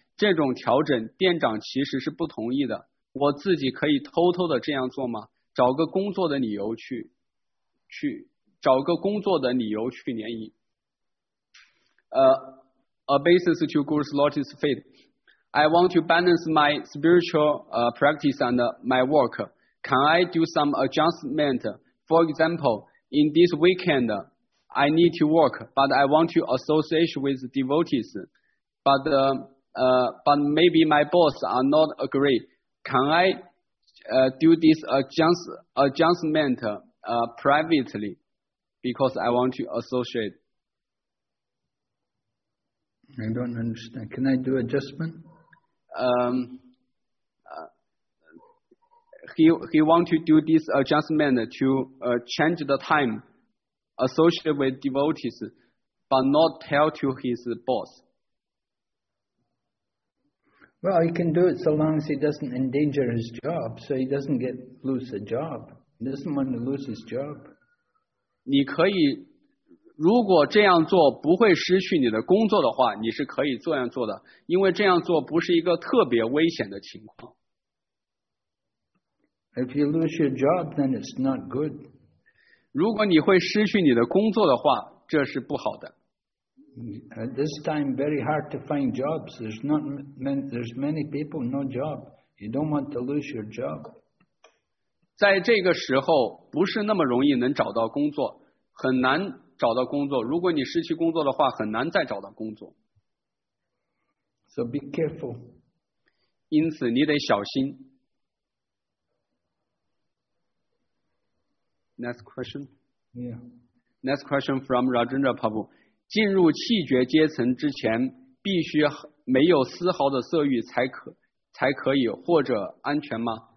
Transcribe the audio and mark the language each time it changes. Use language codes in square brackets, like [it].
[zh] 这种调整店长其实是不同意的，我自己可以偷偷的这样做吗？找个工作的理由去找个工作的理由去联谊。 [en] A basis to Guru's Lotus Feet. I want to balance my spiritual practice and my work. Can I do some adjustment? For example, in this weekend, I need to work, but I want to associate with devotees. But maybe my boss are not agree. Can I do this adjustment privately? Because I want to associate. I don't understand. Can I do adjustment? He want to do this adjustment to change the time associated with devotees, but not tell to his boss. Well, he can do it so long as he doesn't endanger his job, so he doesn't get lose a job. He doesn't want to lose his job. [zh] 你可以如果这样做不会失去你的工作的话，你是可以这样做的，因为这样做不是一个特别危险的情况。 [en] If you lose your job, then it's not good. [zh] 如果你会失去你的工作的话，这是不好的。 [en] At this time, very hard to find jobs. There's many people, no job. You don't want to lose your job. [zh] 在这个时候，不是那么容易能找到工作，很难。找到工作，如果你失去工作的话，很难再找到工作。 [en] So be careful. [zh] 因此你得小心。 [en] Next question. Yeah. Next question from Rajendra Prabhu. [zh] 进入气绝阶层之前，必须没有丝毫的色欲才可以或者安全吗？